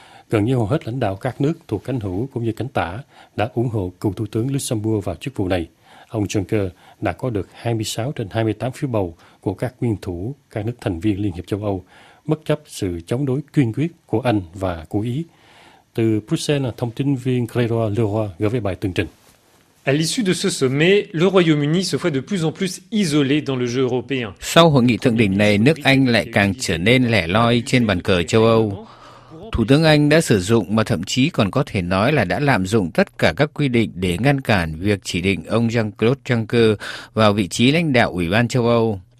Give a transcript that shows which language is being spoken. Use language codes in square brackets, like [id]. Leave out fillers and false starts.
[vi] Gần như hầu hết lãnh đạo các nước thuộc cánh hữu cũng như cánh tả đã ủng hộ cựu Thủ tướng Luxembourg vào chức vụ này. Ông Juncker đã có được 26 trên 28 phiếu bầu của các nguyên thủ các nước thành viên Liên hiệp châu Âu, bất chấp sự chống đối kiên quyết của Anh và của Ý. Từ Bruxelles, thông tin viên Clairoy Leroy gửi về bài tường trình. [fr] À l'issue de ce sommet, le Royaume-Uni se voit de plus en plus isolé dans le jeu européen. [vi] Sau hội nghị thượng đỉnh này, nước Anh lại càng trở nên lẻ loi trên bàn cờ châu Âu. Thủ tướng Anh đã sử dụng mà thậm chí còn có thể nói là đã lạm dụng tất cả các quy định để ngăn cản việc chỉ định ông Jean-Claude Juncker vào vị trí lãnh đạo Ủy ban châu Âu.